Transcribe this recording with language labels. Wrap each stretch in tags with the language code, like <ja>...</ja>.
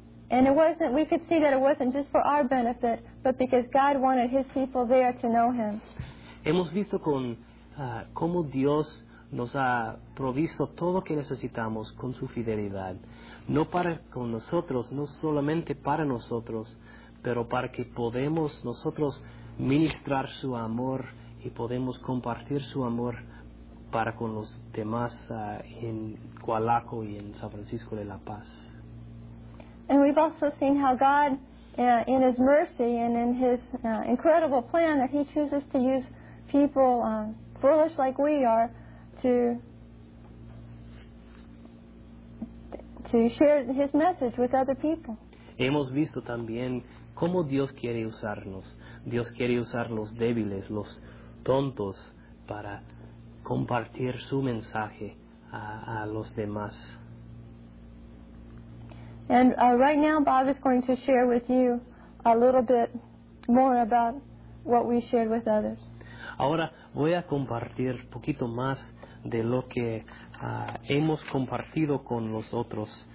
<en>And we could see that it wasn't just for our benefit, but because God wanted His people there to know Him.</en> <es>Hemos visto con cómo Dios nos ha provisto todo lo que necesitamos con su fidelidad. No para con nosotros, no solamente para nosotros, pero para que podamos nosotros ministrar su amor y podemos compartir su amor para con los demás en Cualaco y en San Francisco de la Paz.</es> <en>And we've also seen how God, in His mercy and in His incredible plan, that He chooses to use people foolish like we are to share His message with other people.</en> <es>Hemos visto también cómo Dios quiere usarnos. Dios quiere usar los débiles, los tontos, para compartir su mensaje a los demás.</es> <en>And right now Bob is going to share with you a little bit more about what we shared with others.</en> <es>Ahora voy a compartir poquito más de lo que hemos compartido con los otros.</es>